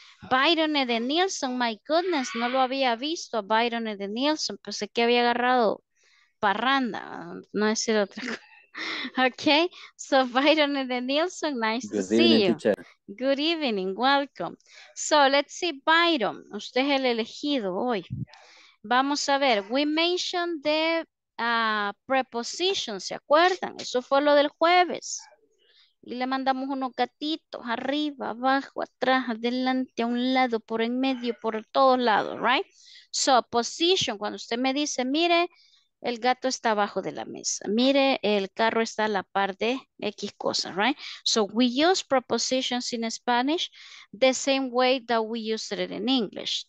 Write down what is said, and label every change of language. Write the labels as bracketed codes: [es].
[es] Byron Edenilson, [en] my goodness, [es] no lo había visto. Byron Edenilson, pensé que había agarrado parranda, no decir otra cosa. [en] Okay, so Byron and Nielsen, nice to see you. Good evening, welcome. So let's see, [es] Byron, usted es el elegido hoy. Vamos a ver, [en] we mentioned the preposition, [es] ¿se acuerdan? Eso fue lo del jueves. Y le mandamos unos gatitos arriba, abajo, atrás, adelante, a un lado, por en medio, por todos lados, right? So position, cuando usted me dice, mire, el gato está abajo de la mesa. Mire, el carro está a la par de X cosas, right? [en] So we use prepositions in Spanish the same way that we use it in English.